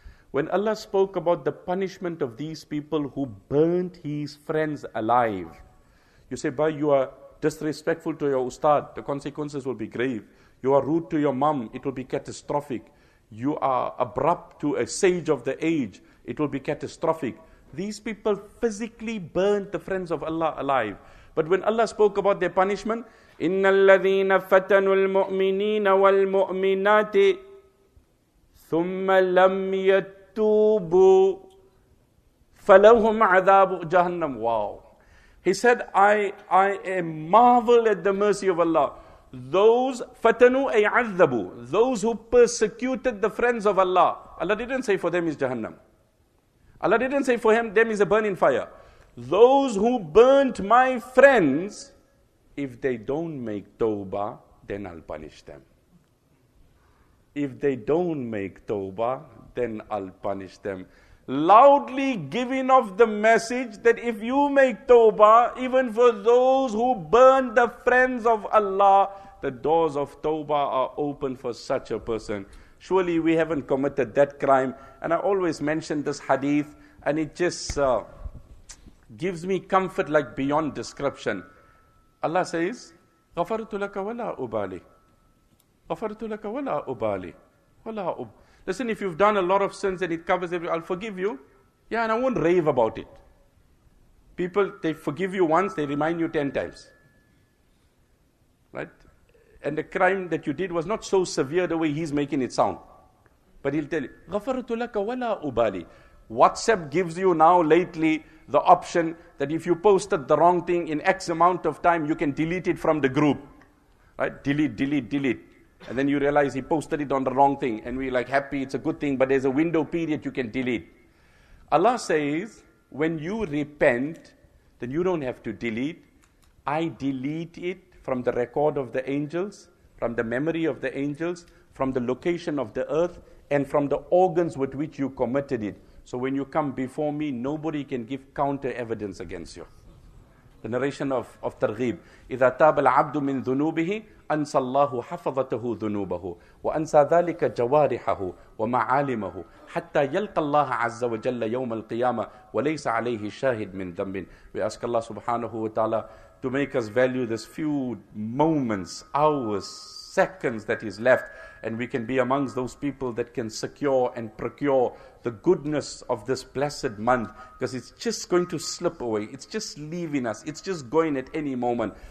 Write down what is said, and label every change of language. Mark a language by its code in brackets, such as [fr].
[en] When Allah spoke about the punishment of these people who burnt his friends alive, you say, bhai, you are disrespectful to your ustad, the consequences will be grave. You are rude to your mom, it will be catastrophic. You are abrupt to a sage of the age, it will be catastrophic. These people physically burnt the friends of Allah alive. But when Allah spoke about their punishment, [ar] إِنَّ الَّذِينَ فَتَنُوا الْمُؤْمِنِينَ وَالْمُؤْمِنَاتِ ثُمَّ لَمْ يَتُوبُوا فَلَهُمْ عَذَابُ جَهَنَّمُ. [en] Wow. He said, I am marvel at the mercy of Allah. Those fatanu ayadhabu, those who persecuted the friends of Allah. Allah didn't say for them is Jahannam. Allah didn't say for them is a burning fire. Those who burnt my friends, if they don't make tawbah, then I'll punish them. If they don't make tawbah, then I'll punish them. Loudly giving off the message that if you make tawbah, even for those who burn the friends of Allah, the doors of tawbah are open for such a person. Surely we haven't committed that crime. And I always mention this hadith, and it just gives me comfort like beyond description. Allah says, [ar] غَفَرْتُ لَكَ وَلَا أُبَالِي غَفَرْتُ لَكَ وَلَا أُبَالِي وَلَا أُبَالِي. [en] Listen, if you've done a lot of sins and it covers everything, I'll forgive you. Yeah, and I won't rave about it. People, they forgive you once, they remind you 10 times. Right? And the crime that you did was not so severe the way he's making it sound. But he'll tell you, [ar] غَفَرْتُ لَكَ وَلَا أُبَالِي. [en] WhatsApp gives you now lately the option that if you posted the wrong thing in X amount of time, you can delete it from the group. Right? Delete, delete, delete. And then you realize he posted it on the wrong thing. And we're like, happy, it's a good thing. But there's a window period you can delete. Allah says, when you repent, then you don't have to delete. I delete it from the record of the angels, from the memory of the angels, from the location of the earth, and from the organs with which you committed it. So when you come before me, nobody can give counter evidence against you. The narration of Targhib. [ar] إِذَا تَابَ الْعَبْدُ مِنْ ذُنُوبِهِ أنسى الله حفظته ذنوبه وأنسى ذلك جوارحه ومعالمه حتى يلقى الله عز وجل يوم القيامة وليس عليه شاهد من ذنب. [en] We ask Allah subhanahu wa ta'ala to make us value this few moments, hours, seconds that is left, and we can be amongst those people that can secure and procure the goodness of this blessed month, because it's just going to slip away. It's just leaving us. It's just going at any moment.